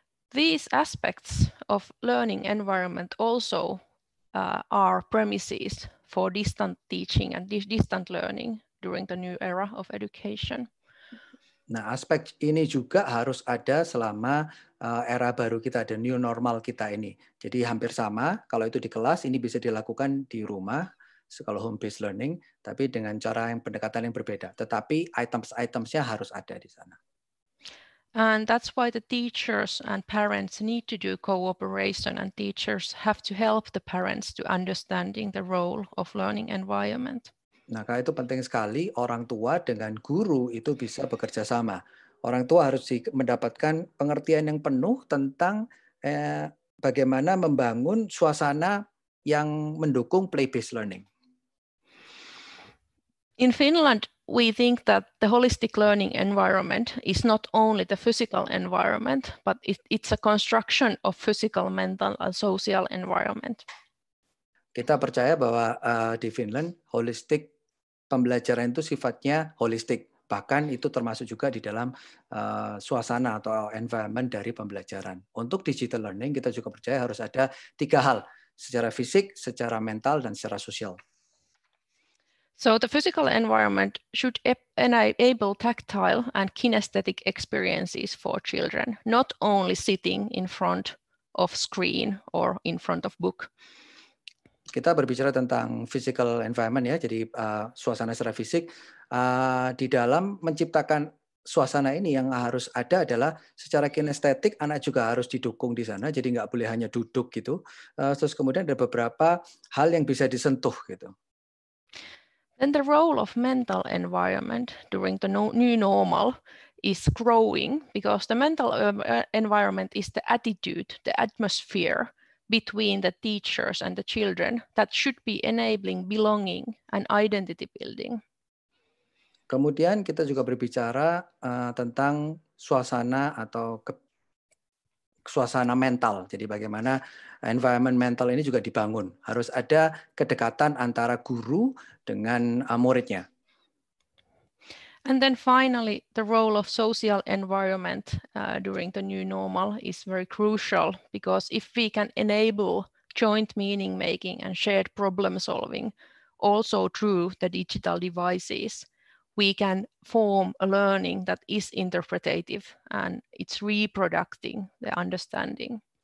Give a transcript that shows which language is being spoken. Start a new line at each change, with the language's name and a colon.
English: These aspects of learning environment also are premises for distant teaching and distant learning during the new era of education.
Indonesian: Nah, aspek ini juga harus ada selama era baru kita, the new normal kita ini. Jadi hampir sama, kalau itu di kelas, ini bisa dilakukan di rumah, kalau home-based learning, tapi dengan cara yang pendekatan yang berbeda. Tetapi items-itemsnya harus ada di sana.
English: And that's why the teachers and parents need to do cooperation, and teachers have to help the parents to understanding the role of learning environment.
Indonesian: Nah, karena itu penting sekali orang tua dengan guru itu bisa bekerja sama. Orang tua harus mendapatkan pengertian yang penuh tentang bagaimana membangun suasana yang mendukung play-based learning.
English: In Finland, we think that the holistic learning environment is not only the physical environment, but it's a construction of physical, mental, and social environment.
Indonesian: Kita percaya bahwa di Finland, holistic pembelajaran itu sifatnya holistik, bahkan itu termasuk juga di dalam suasana atau environment dari pembelajaran. Untuk digital learning, kita juga percaya harus ada tiga hal, secara fisik, secara mental, dan secara sosial.
English: So the physical environment should enable tactile and kinesthetic experiences for children, not only sitting in front of screen or in front of book.
Indonesian: Kita berbicara tentang physical environment, ya, jadi suasana secara fisik. Di dalam menciptakan suasana ini yang harus ada adalah secara kinestetik anak juga harus didukung di sana, jadi nggak boleh hanya duduk gitu. Terus kemudian ada beberapa hal yang bisa disentuh gitu.
English: Then the role of mental environment during the new normal is growing because the mental environment is the attitude, the atmosphere between the teachers and the children that should be enabling belonging and identity building.
Indonesian: Kemudian kita juga berbicara tentang suasana atau suasana mental. Jadi bagaimana environment mental ini juga dibangun. Harus ada kedekatan antara guru dengan muridnya.
English: And then finally, the role of social environment during the new normal is very crucial because if we can enable joint meaning making and shared problem solving also through the digital devices, we can form a learning that is interpretative and it's reproducting the understanding.